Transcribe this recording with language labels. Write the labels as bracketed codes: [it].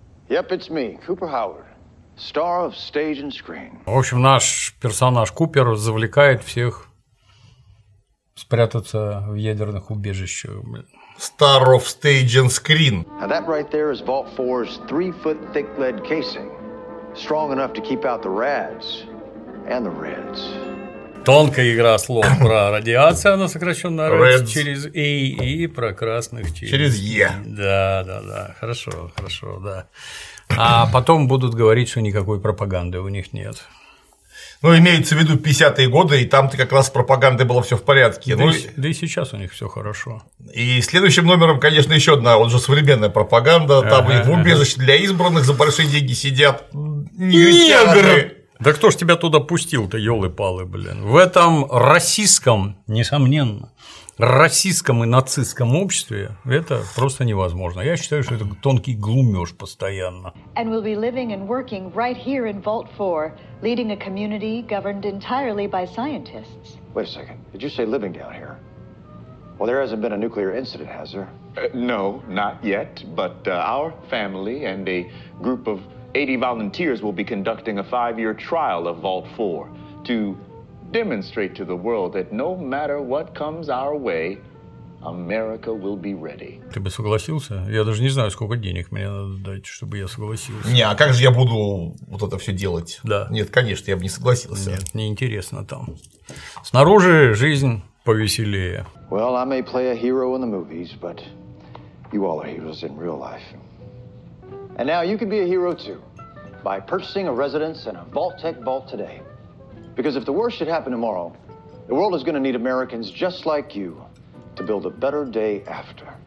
[en] Yep, it's me, Cooper Howard, star of stage and screen. [ru] В общем, наш персонаж Купер завлекает всех спрятаться в ядерных убежищах. [en] Star of stage and screen. Now that right there is Vault 4's 3-foot thick lead casing, strong enough to keep out the rads and the reds. [ru] Тонкая игра слов про радиацию, она сокращенно RADS через A и про красных через E. Да. Хорошо, да. А потом будут говорить, что никакой пропаганды у них нет. Ну, имеется в виду 50-е годы, и там-то как раз с пропагандой было все в порядке. Да, ну, да и сейчас у них все хорошо. И следующим номером, конечно, еще одна, он же современная пропаганда. Там и в убежище для избранных за большие деньги сидят. Негры! Да кто ж тебя туда пустил-то, ёлы-палы, блин? В этом российском, несомненно, российском и нацистском обществе это просто невозможно. Я считаю, что это тонкий глумёж постоянно. [en] And we'll be living and working right here in Vault 4, leading a community governed entirely by scientists. Wait a second. Did you say living down here? Well, there hasn't been a nuclear incident, has there? No, not yet, but our family and a group of 80 volunteers will be conducting a 5-year trial of Vault 4 to demonstrate to the world that no matter what comes our way, America will be ready. [ru] Ты бы согласился? Я даже не знаю, сколько денег мне надо дать, чтобы я согласился. Не, а как же я буду вот это все делать? Да. Нет, конечно, я бы не согласился. Нет, неинтересно там. Снаружи жизнь повеселее. [en] Well, I may play a hero in the movies, but you all are heroes in real life. And now you can be a hero too, by purchasing a residence in a Vault-Tec vault today. Because if the worst should happen tomorrow, the world is going to need Americans just like you to build a better day after.